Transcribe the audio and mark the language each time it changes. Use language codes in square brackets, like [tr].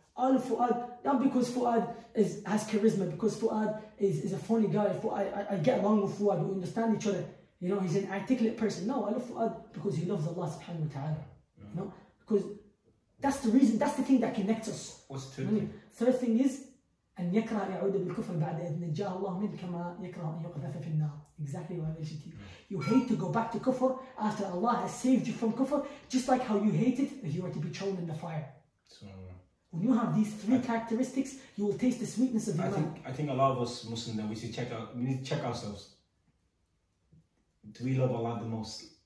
[en] Al Fuad, not because Fuad has charisma, because Fuad is a funny guy. I get along with Fuad, we understand each other. You know, he's an articulate person. No, I love Fuad because he loves Allah subhanahu wa ta'ala. Yeah. You know? Because that's the reason, that's the thing that connects us. What's the third thing? Third thing is, [ar] أن يكره أن يعود بالكفر بعد إذ نجاه الله منه كما يكره أن يقذف في النار. [en] Exactly what I mentioned to you. You hate to go back to kufr after Allah has saved you from kufr, just like how you hate it if you were to be thrown in the fire. When you have these three characteristics, you will taste the sweetness of Iman. I think a lot of us Muslims, then we need to check ourselves. Do we love Allah the most?